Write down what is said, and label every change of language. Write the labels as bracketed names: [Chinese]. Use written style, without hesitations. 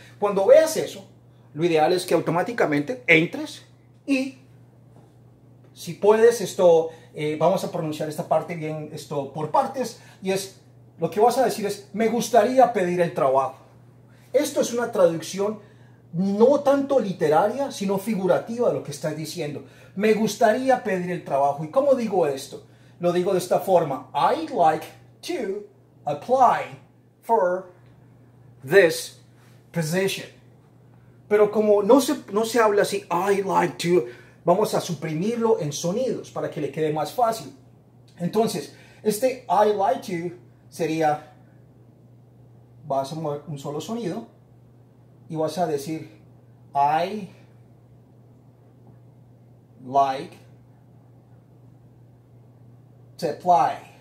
[Spanish] Cuando veas eso, lo ideal es que automáticamente entres y, si puedes, vamos a pronunciar esta parte bien, esto por partes, y es, lo que vas a decir es, me gustaría pedir el trabajo. Esto es una traducción no tanto literaria, sino figurativa de lo que estás diciendo. Me gustaría pedir el trabajo. ¿Y cómo digo esto? Lo digo de esta forma. [English] I'd like to apply for this position. [Spanish] Pero como no se habla así, [English] I'd like to, [Spanish] vamos a suprimirlo en sonidos para que le quede más fácil. Entonces, este [English] I'd like to [Spanish] sería, vas a mover un solo sonido y vas a decir [English] I like to apply.